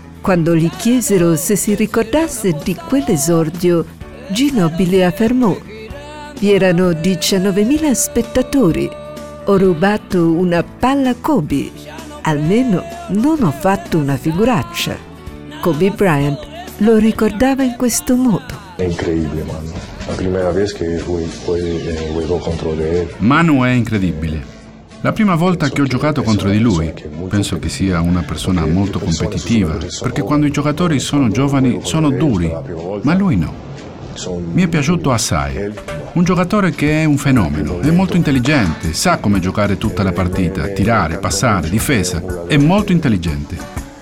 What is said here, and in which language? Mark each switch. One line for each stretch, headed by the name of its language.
Italian: Quando gli chiesero se si ricordasse di quell'esordio, Ginobili affermò: «Vi erano 19.000 spettatori. Ho rubato una palla a Kobe. Almeno non ho fatto una figuraccia». Kobe Bryant lo ricordava in questo modo.
Spanish: es increíble, mano. La primera vez que juego contra él. Manu es increíble.
Italian: La prima volta che ho giocato contro di lui, penso che sia una persona molto competitiva, perché quando i giocatori sono giovani sono duri, ma lui no. Mi è piaciuto assai. Un giocatore che è un fenomeno, è molto intelligente, sa come giocare tutta la partita, tirare, passare, difesa, è molto intelligente.